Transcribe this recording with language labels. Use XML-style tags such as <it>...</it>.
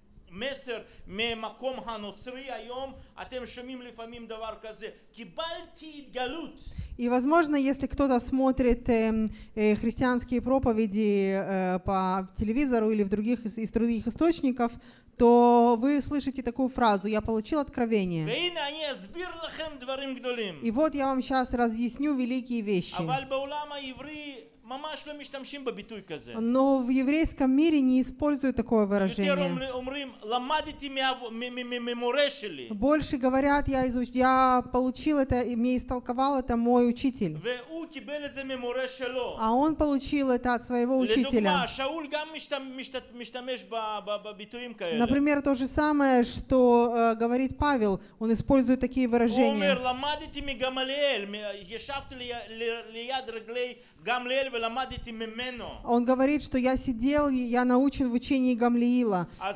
<he>מסר ממקום הנוצרי היום אתם שומעים לפעמים דבר כזה קיבלתי התגלות.</he> <ru>И возможно, если кто-то смотрит христианские проповеди по телевизору или в других из других источников, то вы слышите такую фразу: я получил откровение.</ru> <he>והנה אני אסביר לכם דברים גדולים.</he> <ru>И вот я вам сейчас разъясню великие вещи.</ru> <he>אבל בעולם העברי ממש לא משתמשים בביטוי כזה.</he> <ru>Но в еврейском мире не используют такое выражение.</ru> <he>אומרים, למדתי ממורה שלי.</he> <ru>Больше говорят, я получил это, мне истолковал это мой учитель.</ru> <he>והוא קיבל את זה ממורה שלו.</he> <ru>А он получил это от своего учителя.</ru> <he>לדוגמה, שאול גם משתמש בביטויים כאלה.</he> <ru>Например, то же самое, что говорит Павел, он использует такие выражения.</ru> <he>אומר, למדתי מגמליאל, ישבתי ליד רגלי Гамлиэль, вы ламадите мемено.</he> <ru>Он говорит, что я сидел, я научен в учении Гамлиила.</ru>